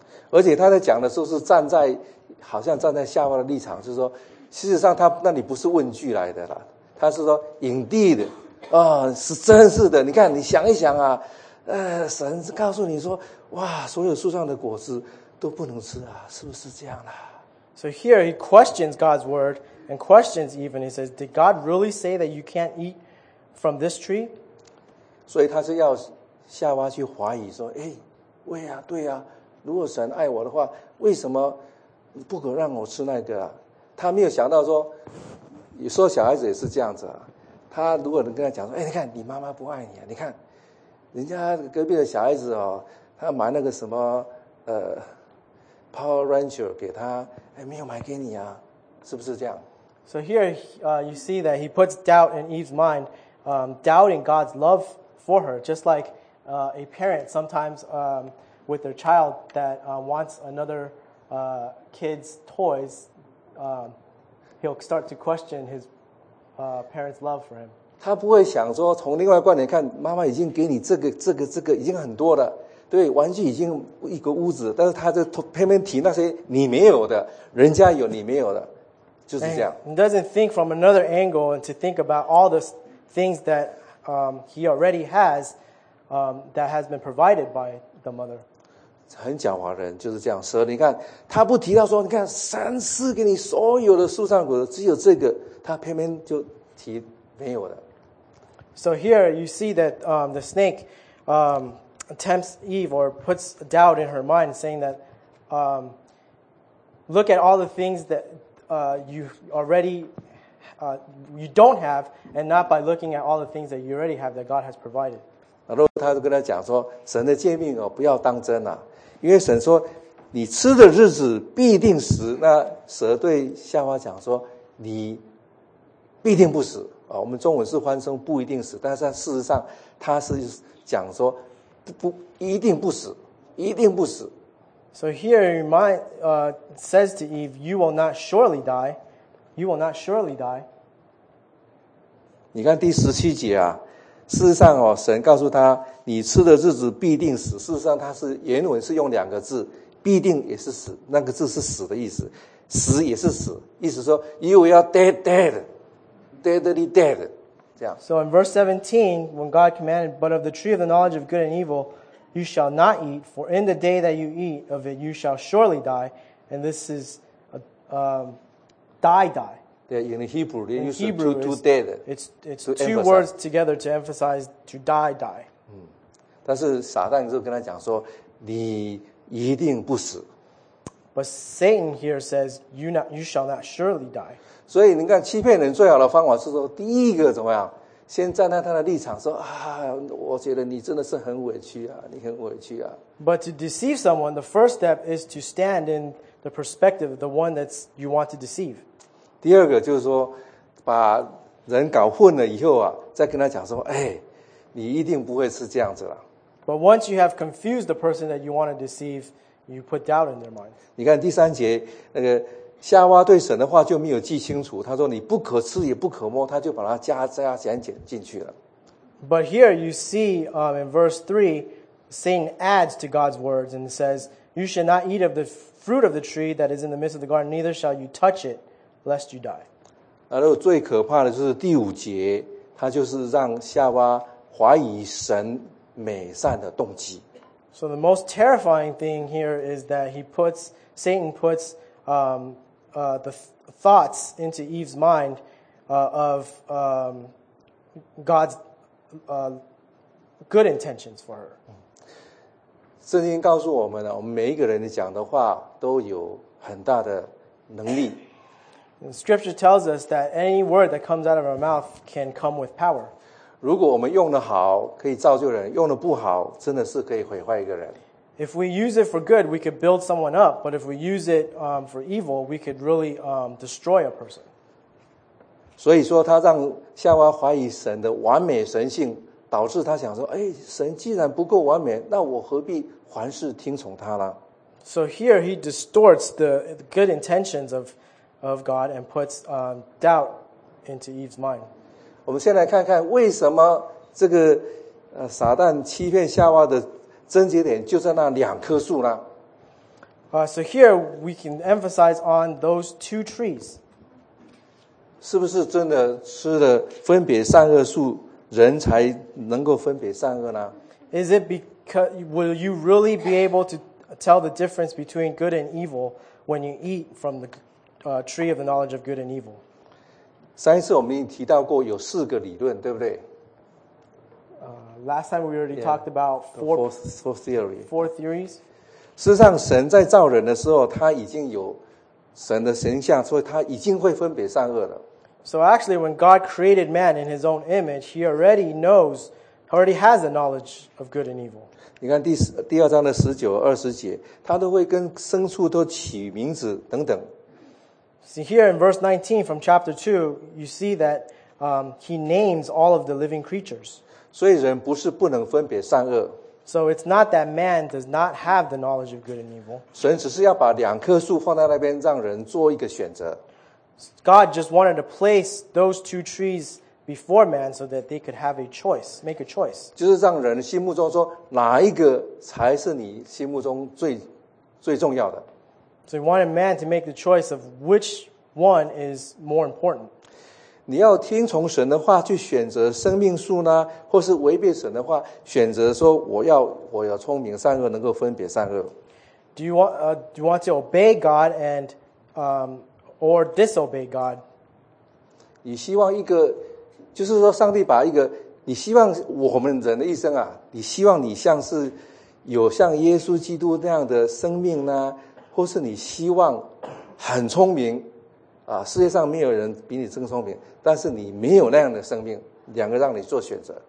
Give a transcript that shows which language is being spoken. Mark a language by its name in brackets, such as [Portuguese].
[Chinese] 而且他在讲的时候是站在好像站在夏娃的立场，就是说事实上他那里不是问句来的啦，他是说 indeed 啊、哦，是真是的，你看你想一想啊，神告诉你说，哇，所有树上的果子都不能吃啊，是不是这样啦、啊、 [English] ？So here he questions God's word and questions even. He says, "Did God really say that you can't eat from this tree?" [Chinese] 所以他是要夏娃去怀疑说，哎，喂啊，对啊，如果神爱我的话，为什么不可让我吃那个啊？他没有想到说，有时候小孩子也是这样子啊。他如果能跟他讲说，哎，你看你妈妈不爱你啊，你看。人家隔壁的小孩子哦，他买那个什么Power Ranger 给他，哎，没有买给你啊，是不是这样 [English] ？So here, you see that he puts doubt in Eve's mind, doubting God's love for her, just like a parent sometimes with their child that wants another kid's toys, he'll start to question his parent's love for him. [Chinese] 他不会想说，从另外一观点看，妈妈已经给你这个已经很多了，对，玩具已经一个屋子，但是他就偏偏提那些你没有的，人家有你没有的，就是这样。 [English] He doesn't think from another angle and to think about all the things that he already has, that has been provided by the mother. [Chinese] 很狡猾的人就是这样。蛇，你看他不提到说，你看神赐给你所有的树上果子，只有这个，他偏偏就提。 [English] So here you see that the snake tempts Eve or puts doubt in her mind, saying that look at all the things that you already you don't have, and not by looking at all the things that you already have that God has provided. [Chinese] 然后他就跟他讲说，神的诫命哦，不要当真啊，因为神说你吃的日子必定死。那蛇对夏娃讲说，你必定不死。啊、我们中文是欢声不一定死，但是事实上他是讲说 不一定不死。 [English] So here he says to Eve, you will not surely die. You will not surely die. [Chinese] 你看第十七节啊，事实上、哦、神告诉他你吃的日子必定死。事实上他是原文是用两个字，必定也是死，那个字是死的意思，死也是死，意思说 [English] you will dead. So in verse 17, when God commanded, but of the tree of the knowledge of good and evil, you shall not eat, for in the day that you eat of it, you shall surely die. And this is die. In Hebrew, in Hebrew to dead. It's two words together to emphasize to die. [Chinese] 但是撒旦就跟他讲说，你一定不死。 [English] But Satan here says, you shall not surely die. [Chinese] 所以你看，欺骗人最好的方法是说，第一个怎么样？先站在他的立场说啊，我觉得你真的是很委屈啊，你很委屈啊。 [English] But to deceive someone, the first step is to stand in the perspective of the one that you want to deceive. [Chinese] 第二个就是说，把人搞混了以后啊，再跟他讲说，哎，你一定不会是这样子了。 [English] But once you have confused the person that you want to deceive, you put doubt in their mind. [Chinese] 你看第三节那个。夏娃对神的话就没有记清楚，他说你不可吃也不可摸，他就把它加减减进去了。 [English] But here you see in verse 3, Satan adds to God's words and says, you shall not eat of the fruit of the tree that is in the midst of the garden, neither shall you touch it, lest you die. [Chinese] 然后最可怕的就是第五节，他就是让夏娃怀疑神美善的动机。 [English] So the most terrifying thing here is that Satan puts the thoughts into Eve's mind of God's good intentions for her. [Chinese] 圣经告诉我们呢，我们每一个人讲的话都有很大的能力。 [English] Scripture tells us that any word that comes out of our mouth can come with power. [Chinese] 如果我们用的好，可以造就人；用的不好，真的是可以毁坏一个人。 [English] If we use it for good, we could build someone up. But if we use it for evil, we could really destroy a person. [Chinese] 所以说，他让夏娃怀疑神的完美神性，导致他想说：“哎，神既然不够完美，那我何必凡事听从他呢？” [English] So here he distorts the good intentions of God and puts doubt into Eve's mind. [Chinese] 我们先来看看为什么这个撒旦欺骗夏娃的。症结点就在那两棵树呢。 [English] So here we can emphasize on those two trees. [Chinese] 是不是真的吃了分别善恶树，人才能够分别善恶呢？ [English] Is it because, will you really be able to tell the difference between good and evil when you eat from the tree of the knowledge of good and evil? [Chinese] 上一次我们已经提到过有四个理论，对不对？ [English] Last time we already talked about four theories. [Chinese] 事实上，神在造人的时候，他已经有神的形象，所以他已经会分别善恶了。 [English] So actually, when God created man in His own image, He already knows, already has a knowledge of good and evil. [Chinese] 你看第二章的十九、二十节，他都会跟牲畜都起名字等等。 [English] See here in verse 19 from chapter 2, you see that He names all of the living creatures. [Chinese] 所以人不是不能分别善恶。 [English] So it's not that man does not have the knowledge of good and evil. [Chinese] 神只是要把两棵树放在那边，让人做一个选择。 [English] God just wanted to place those two trees before man so that they could have a choice, make a choice. [Chinese] 就是让人心目中说哪一个才是你心目中最重要的。 [English] So he wanted man to make the choice of which one is more important. [Chinese] 你要听从神的话去选择生命树呢，或是违背神的话，选择说我要聪明善恶，能够分别善恶。 [English] Do you want to obey God and or disobey God? [Chinese] 你希望一个，就是说上帝把一个，你希望我们人的一生啊，你希望你像是有像耶稣基督那样的生命呢，或是你希望很聪明啊，世界上没有人比你更聪明，但是你没有那样的生命，两个让你做选择。